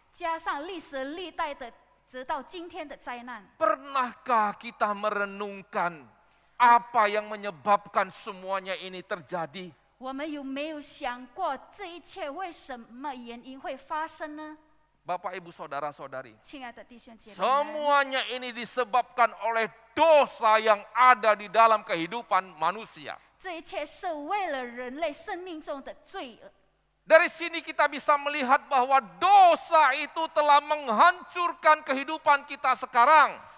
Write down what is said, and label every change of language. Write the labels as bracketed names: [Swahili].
[Chinese] 加上历史历代的, 直到今天的灾难, [Indonesian] pernahkah kita merenungkan apa yang menyebabkan semuanya ini terjadi? [Chinese] 我们有没有想过这一切为什么原因会发生呢? [Indonesian] Bapak Ibu Saudara Saudari, [Chinese] 亲爱的弟兄姐妹们, [Indonesian] semuanya ini disebabkan oleh dosa yang ada di dalam kehidupan manusia. [Chinese] 这一切是为了人类生命中的罪. [Indonesian] Dari sini kita bisa melihat bahwa dosa itu telah menghancurkan kehidupan kita sekarang.